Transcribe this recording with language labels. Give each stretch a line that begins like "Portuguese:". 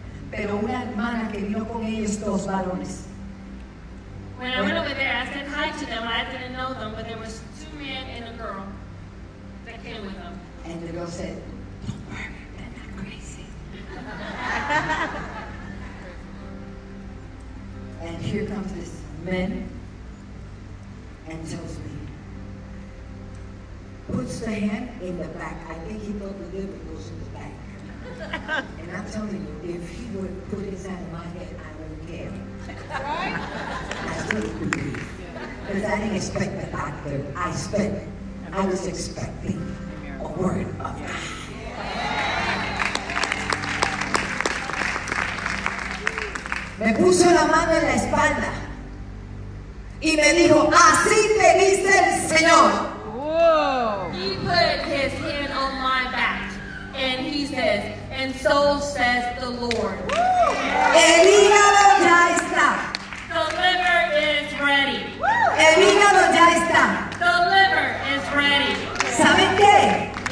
Spanish: Pero una hermana que vino con ellos dos varones.
English: When I went over there, I said hi to them. I didn't know them, but there was two men and a girl that came with them. And the girl said, don't worry, they're not crazy. And here comes this man and tells me, puts the hand in the back. I think he thought the liver goes in the back. And I'm telling you, if he would put his hand in my head, I wouldn't care. Right? I still believe. Because I didn't expect the doctor. I was expecting a word of God. Yeah.
Spanish: Me puso la mano en la espalda. Y me dijo, así te dice el Señor.
English: He put his hand on my back. And he says, and so says the Lord.
Spanish: El hígado ya está.
English: The liver is ready.
Spanish: El hígado ya está.
English: The liver is ready.
Spanish: ¿Saben qué?